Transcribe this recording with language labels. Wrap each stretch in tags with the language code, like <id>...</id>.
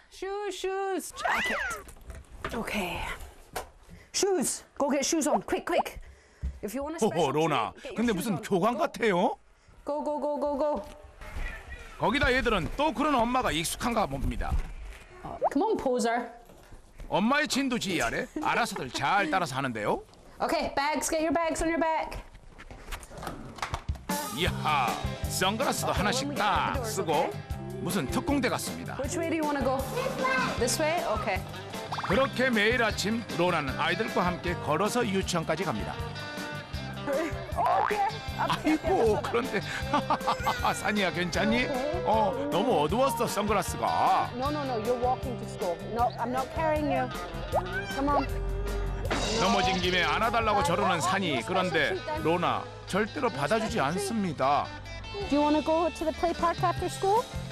<en>Shoes, jacket. Okay. Shoes, go get shoes on, quick, quick. If you want a special treat,</en> <ko>로나, 근데 무슨 교관 같아요?</ko> <en>Go, go, go, go, go.</en> <ko>거기다 얘들은 또 그런 엄마가 익숙한가 봅니다.</ko> <en>Come on, poser.</en> <ko>엄마의 진도 지휘 아래 알아서들 잘 따라서 하는데요.</ko> <en>Okay, bags, get your bags on your back.</en> <ko>이야, 선글라스도 okay, 하나씩 딱 doors, 쓰고 okay? 무슨 특공대 같습니다.</ko> <en>Which way do you want to go? This way? Okay.</en> <ko>그렇게 매일 아침 로나는 아이들과 함께 걸어서 유치원까지 갑니다.</ko> <en>Okay. Okay.</en> <ko>아이고, 그런데 산이야, 괜찮니?</ko> <en>Okay.</en> <ko>어, 너무 어두웠어, 선글라스가.</ko> <en>No, no, no. You're walking to school. No, I'm not carrying you. Come on.</en> <ko>넘어진 김에 안아달라고 저러는 산이. 그런데 로나 절대로 받아주지 않습니다.</ko> <en>Do you want to go to the play park after school?</en>